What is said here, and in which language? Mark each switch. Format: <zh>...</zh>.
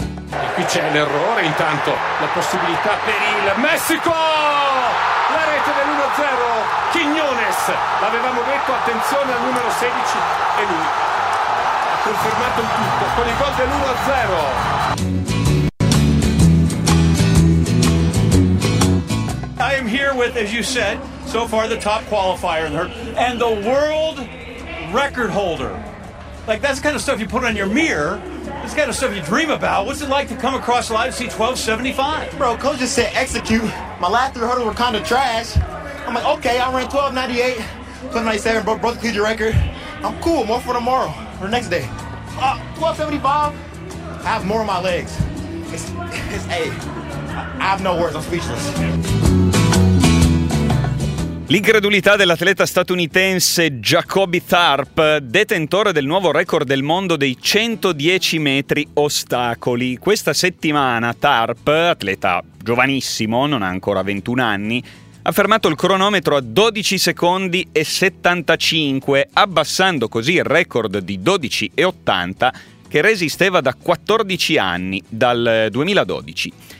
<it>E qui c'è l'errore, intanto la possibilità per il Messico, la rete dell'1-0, Quiñones. L'avevamo detto, attenzione al numero 16, e lui ha confermato il tutto con il gol dell'1-0.</it> <en>I am here with, as you said, so far the top qualifier and the world record holder. Like, that's the kind of stuff you put on your mirror. That's the kind of stuff you dream about. What's it like to come across live and see 1275? Bro, coach just said execute. My last three hurdles were kind of trash. I'm like, okay, I ran 1298, 1297, broke the future record. I'm cool, more for tomorrow, for the next day. 1275, I have more on my legs. I have no words, I'm speechless.</en> <it>L'incredulità dell'atleta statunitense Jacoby Tharp, detentore del nuovo record del mondo dei 110 metri ostacoli. Questa settimana Tharp, atleta giovanissimo, non ha ancora 21 anni, ha fermato il cronometro a 12 secondi e 75, abbassando così il record di 12 e 80 che resisteva da 14 anni, dal 2012.</it>